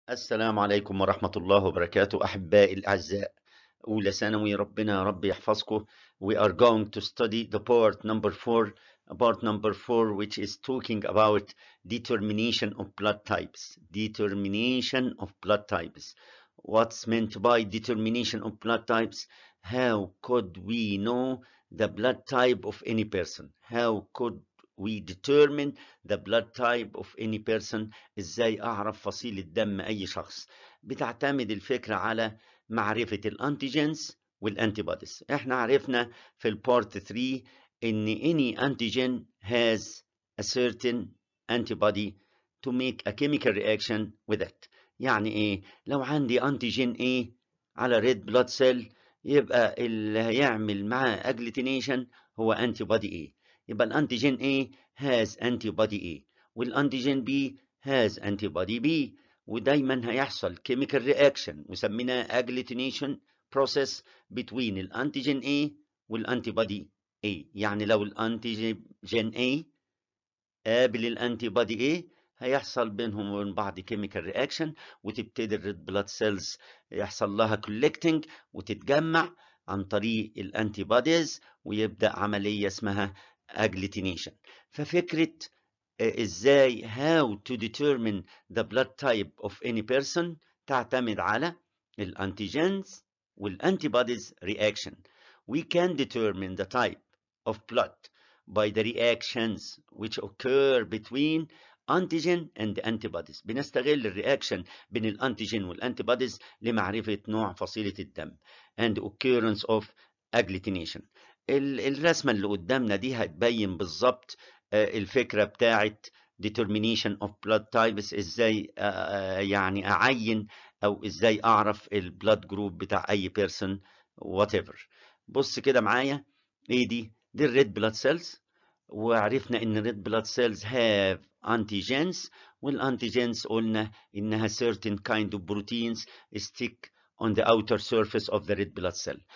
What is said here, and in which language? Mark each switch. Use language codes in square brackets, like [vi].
[ar] السلام عليكم ورحمة الله وبركاته أحبائي الأعزاء. أولى ثانوي، ربنا يا رب يحفظكم. [en] We are going to study the part number four, part number four which is talking about determination of blood types. Determination of blood types. What's meant by determination of blood types? How could we know the blood type of any person? How could we determine the blood type of any person. [ar] ازاي اعرف فصيلة دم اي شخص؟ بتعتمد الفكرة على معرفة الانتيجنز والانتيبوديز. احنا عرفنا في البارت 3 ان [en] any antigen has a certain antibody to make a chemical reaction with it. [ar] يعني ايه؟ لو عندي انتيجين ايه على [en] red blood cell [ar] يبقى اللي هيعمل معاه agglutination هو antibody ايه. يبقى الانتيجين A [en] has antibody A [ar] والانتيجين B [en] has antibody B، [ar] ودايما هيحصل [en] chemical reaction [ar] وسميناه [en] agglutination process between [ar] الانتيجين A والانتيبادي A. يعني لو الانتيجين A قابل الانتيبادي A هيحصل بينهم وبين بعض [en] chemical reaction، [ar] وتبتدي الريد بلاد سيلز يحصل لها collecting وتتجمع عن طريق الانتيبوديز، ويبدا عمليه اسمها agglutination. ففكره ازاي [en] how to determine the blood type of any person [ar] تعتمد على الانتيجينز والانتيبوديز [en] reaction. We can determine the type of blood by the reactions which occur between antigen and antibodies. [ar] بنستغل الرياكشن بين الانتيجين والانتيبوديز لمعرفه نوع فصيله الدم [en] and occurrence of agglutination. [ar] الرسمة اللي قدامنا دي هتبين بالظبط الفكرة بتاعت [en] determination of blood types، [ar] ازاي يعني اعين او ازاي اعرف ال [en] blood group [ar] بتاع اي person whatever. بص كده معايا، ايه دي؟ دي ال [en] red blood cells، وعرفنا ان ال red blood cells have antigens، وال antigens قلنا انها certain kind of proteins stick on the outer surface of the red blood cell.